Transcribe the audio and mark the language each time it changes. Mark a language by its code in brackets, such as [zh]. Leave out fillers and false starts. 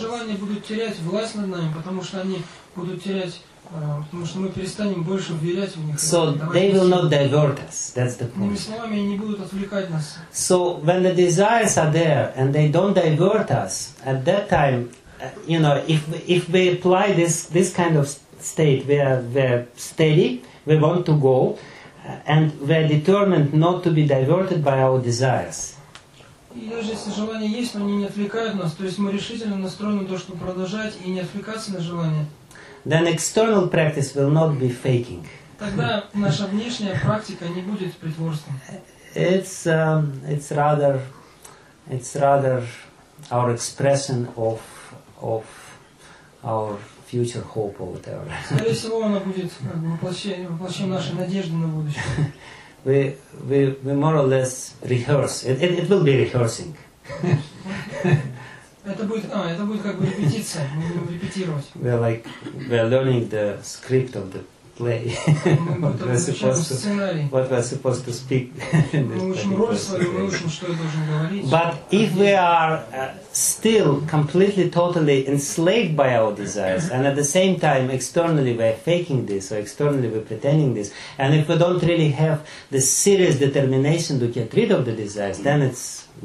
[ru] Желания будут терять власть над нами, потому что они будут терять, потому что мы перестанем больше верить в них. [en] So they will not divert us. That's the point. [ru] Словами не будут отвлекать нас. [en] So when the desires are there and they don't divert us, at that time, you know, if we apply this kind of state, we're steady, we want to go, and we're determined not to be diverted by our desires. [ru] И даже если желания есть, но они не отвлекают нас, то есть мы решительно настроены на то, чтобы продолжать и не отвлекаться на желания. [en] Then external practice will not be faking. [ru] Тогда наша внешняя практика не будет притворством. [en] It's rather our expression of our future hope or whatever. [ru] Скорее всего, она будет воплощением нашей надежды на будущее. [en] We more or less rehearse. It will be rehearsing. [ru] Это будет как бы репетиция. Мы будем репетировать. [en] We're learning the script of the play. What we're supposed to speak. [ru] Мы учим роль свою, мы учим, что я должен говорить. [en] But if we are still completely, totally enslaved by our desires, and at the same time externally we're faking this, or externally we're pretending this, and if we don't really have the serious determination to get rid of the desires, then it's